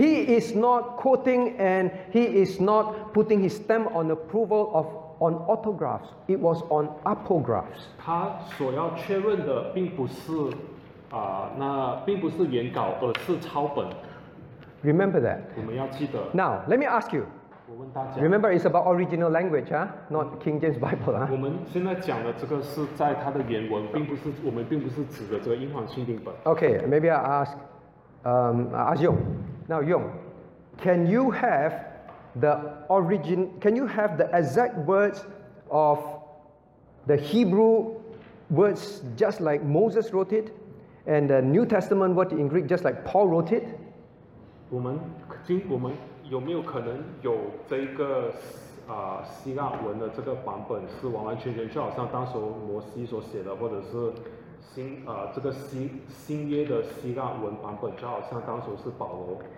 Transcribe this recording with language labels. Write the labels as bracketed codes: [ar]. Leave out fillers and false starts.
[en] He is not quoting and he is not putting his stamp on approval of on autographs. It was on apographs. [zh] 他所要确认的并不是那并不是原稿，而是抄本。 [en] Remember that. [zh] 我们要记得。 [en] Now let me ask you. Remember, it's about original language, huh? Not King James Bible, huh? [zh] 我们现在讲的这个是在它的原文，并不是我们并不是指的这个英皇钦定本。 [en] Okay, maybe I ask, Yong. Now, Yong, can you have the origin? Can you have the exact words of the Hebrew words just like Moses wrote it, and the New Testament word in Greek just like Paul wrote it? [zh] 我们有没有可能有这个希腊文的这个版本是完完全全就好像当时摩西所写的，或者是新这个新约的希腊文版本就好像当时是保罗。